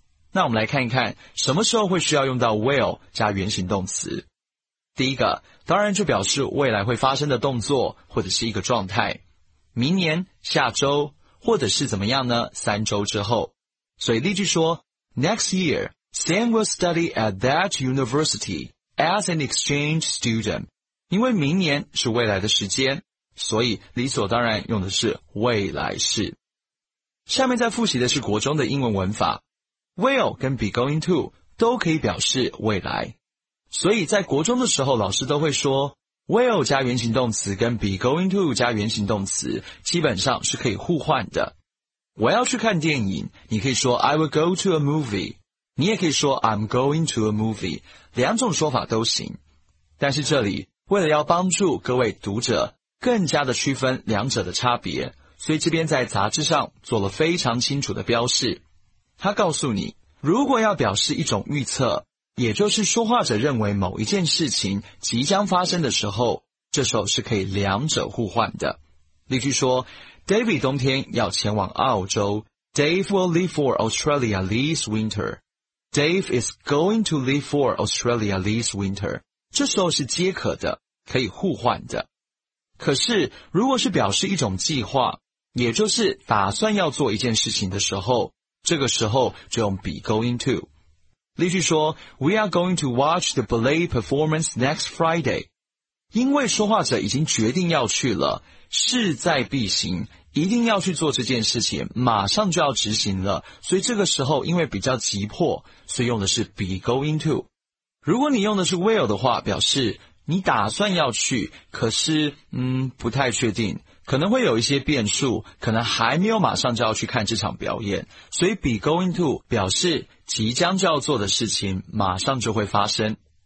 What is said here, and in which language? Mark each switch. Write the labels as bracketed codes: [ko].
[zh] 那我们来看一看什么时候会需要用到 will 加原形动词。第一个当然就表示未来会发生的动作或者是一个状态，明年、下周或者是怎么样呢，三周之后。所以例句说 Next year [en] Sam will study at that university as an exchange student. [zh] 因为明年是未来的时间，所以理所当然用的是未来式。下面在复习的是国中的英文文法。Will 跟 be going to 都可以表示未来。所以在国中的时候老师都会说 Will 加原形动词跟 be going to 加原形动词基本上是可以互换的。我要去看电影，你可以说 [en] I will go to a movie， [zh] 你也可以说 [en] I'm going to a movie， [zh] 两种说法都行。但是这里为了要帮助各位读者更加的区分两者的差别，所以这边在杂志上做了非常清楚的标示。他告诉你，如果要表示一种预测，也就是说话者认为某一件事情即将发生的时候，这时候是可以两者互换的。例句说 ,David 冬天要前往澳洲 , [en] Dave will leave for Australia this winter. Dave is going to leave for Australia this winter. [zh] 这时候是皆可的，可以互换的。可是如果是表示一种计划，也就是打算要做一件事情的时候，这个时候就用 be going to。 [en] 例句说 ,We are going to watch the ballet performance next Friday. [zh] 因为说话者已经决定要去了，势在必行，一定要去做这件事情，马上就要执行了，所以这个时候因为比较急迫，所以用的是 be going to。如果你用的是 will 的话，表示你打算要去，可是不太确定，可能会有一些变数，可能还没有马上就要去看这场表演，所以 be going to 表示即将就要做的事情马上就会发生。